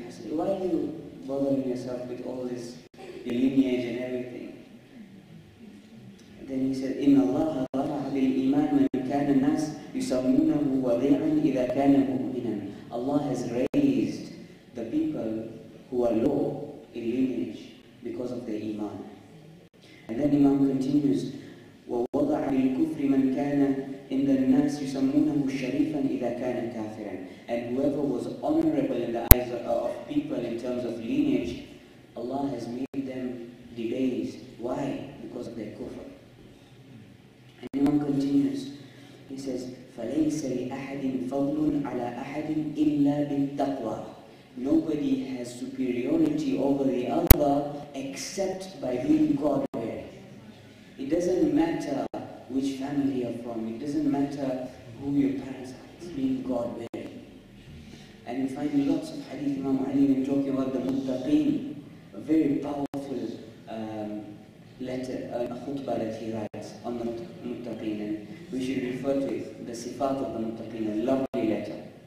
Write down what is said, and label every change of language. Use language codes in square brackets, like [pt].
[en] Why are you bothering yourself with all this your lineage and everything. Then he said, [ar] إِنَّ اللَّهَ طَرَحَ بِالْإِيمَانِ مَنْ كَانَ النَّاسِ يُسَمِّنَهُ وَضِيعًا إِذَا كَانَ مُؤْمِنًا. [en] Allah has raised the people who are low in lineage because of the iman. And then Imam continues, [ar] وَوَضَعَ بِالْكُفْرِ مَنْ كَانَ in the nas yusammunahu sharifan idha kana kafiran. [en] And whoever was honorable in the eyes of people in terms of lineage, Allah has made them debased. Why? Because of their kufr. And Imam continues, he says, [ar] فَلَيْسَ لِأَحَدٍ فَضْلٌ عَلَىٰ أَحَدٍ إِلَّا بِالتَّقْوَىٰ. [en] Nobody has superiority over the other except by being God-aware. It doesn't matter which family you're from, it doesn't matter who your parents are, it's being God-aware. And you find lots of hadith, Imam Ali, in talking about the muttaqin, a very powerful letter, a khutbah that he writes on the muttaqin, and we should refer to it, the sifat of the muttaqin, a lovely letter.